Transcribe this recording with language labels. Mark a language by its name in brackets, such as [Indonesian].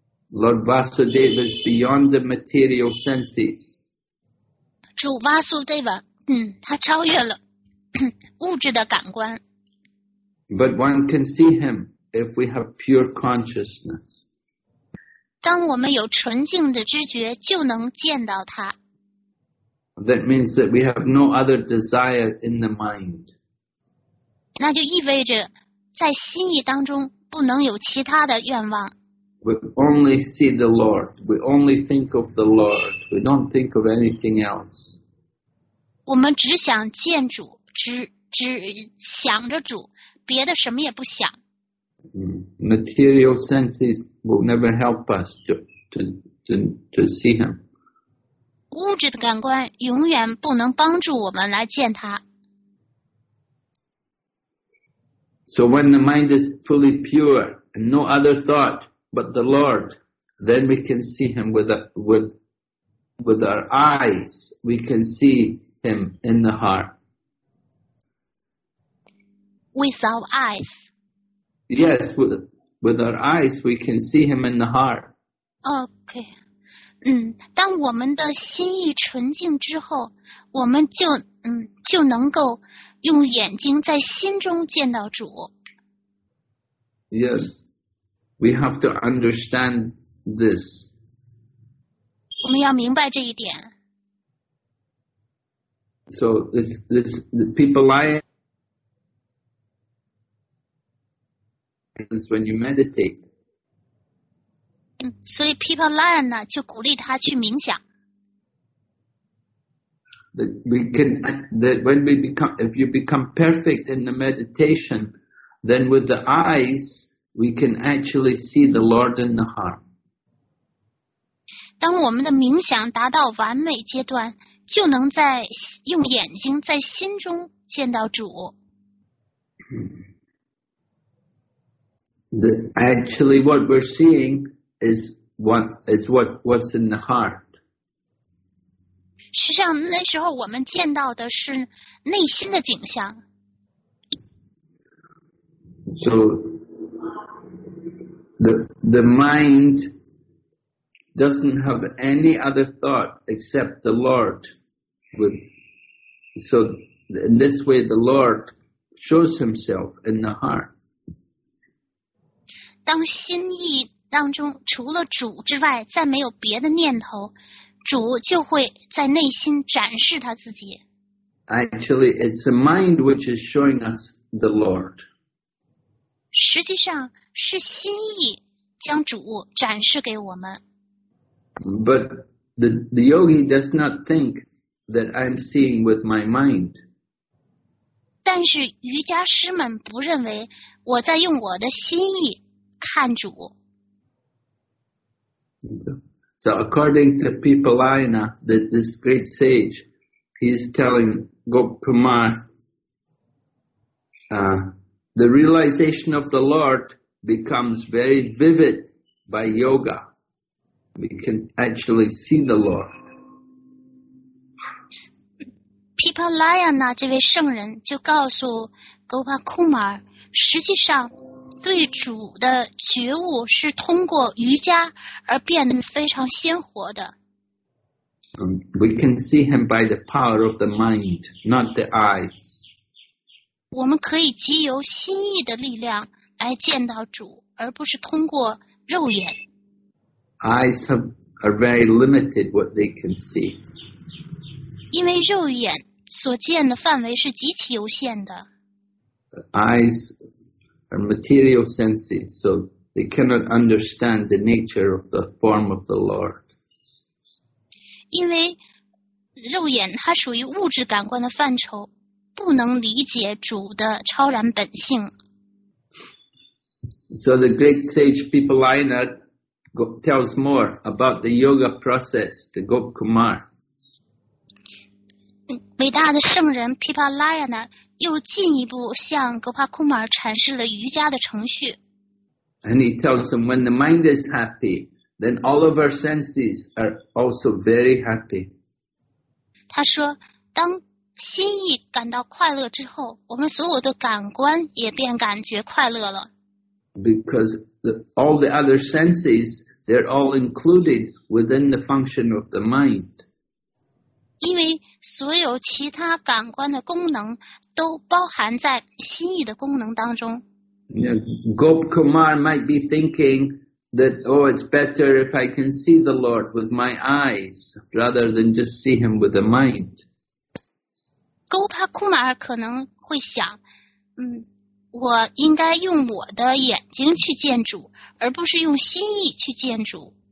[English] Lord Vasudeva is beyond the material senses. [Chinese] 主 Vasudeva, 他超越了物质的感官。 [English] But one can see him if we have pure consciousness. [Chinese] 当我们有纯净的知觉，就能见到他。 [English] That means that we have no other desire in the mind. [Chinese] 那就意味着在心意当中不能有其他的愿望。 [English] We only see the Lord. We only think of the Lord. We don't think of anything else. [Chinese] 我们只想见主，只想着主，别的什么也不想。 [English] Material senses will never help us to see him. [Chinese] 物质的感官永远不能帮助我们来见他。 [English] So when the mind is fully pure and no other thought but the Lord, then we can see him with our eyes. We can see him in the heart. With our eyes. Yes, with our eyes we can see him in the heart. Okay. [Chinese] 当我们的心意纯净之后，我们就能够用眼睛在心中见到主。 [English] Yes, we have to understand this. [Chinese] 我们要明白这一点。 [English] So this people lie when you meditate. [Chinese] 所以 [English] people lie [Chinese] 呢，就鼓励他去冥想。 [English] That we can, that when we become, if you become perfect in the meditation, then with the eyes, we can actually see the Lord in the heart. [Chinese] 当我们的冥想达到完美阶段，就能在用眼睛在心中见到主。 [English] Actually, what we're seeing is what's in the heart. [Chinese] 实际上那时候我们见到的是内心的景象。 [English] So, the mind doesn't have any other thought except the Lord. So, in this way, the Lord shows himself in the heart. [Chinese] 当心意当中除了主之外再没有别的念头，主就会在内心展示他自己。 [English] Actually, it's the mind which is showing us the Lord. [Chinese] 实际上是心意将主展示给我们。 [English] But the yogi does not think that I'm seeing with my mind. [Chinese] 但是瑜伽师们不认为我在用我的心意看主。 [English] So according to Pipalaina, this great sage, he's telling Gopkumar, the realization of the Lord becomes very vivid by yoga. We can actually see the Lord. [Chinese] Pipalaina 这位圣人就告诉 Gopkumar, 实际上对主的觉悟是通过瑜伽而变得非常鲜活的。 [English] We can see him by the power of the mind, not the eyes. [Chinese] 我们可以藉由心意的力量来见到主，而不是通过肉眼。 [English] Eyes are very limited what they can see. [Chinese] 因为肉眼所见的范围是极其有限的。 [English] Eyes. Are material senses, so they cannot understand the nature of the form of the Lord. [Chinese] 因为肉眼它属于物质感官的范畴，不能理解主的超然本性。 [English] So the great sage Pipalaina tells more about the yoga process to Gopkumar. [Chinese] 伟大的圣人 Pipalaina又进一步向格帕库马尔阐释了瑜伽的程序。 [English] And he tells him, when the mind is happy, then all of our senses are also very happy. [Chinese] 他说，当心意感到快乐之后，我们所有的感官也便感觉快乐了。 [English] Because all the other senses, they're all included within the function of the mind. [Chinese] 因为所有其他感官的功能都包含在心意的功能当中。 [English] Gopkumar might be thinking that, oh, it's better if I can see the Lord with my eyes rather than just see him with the mind. [Chinese] Gopkumar 可能会想，我应该用我的眼睛去见主，而不是用心意去见主。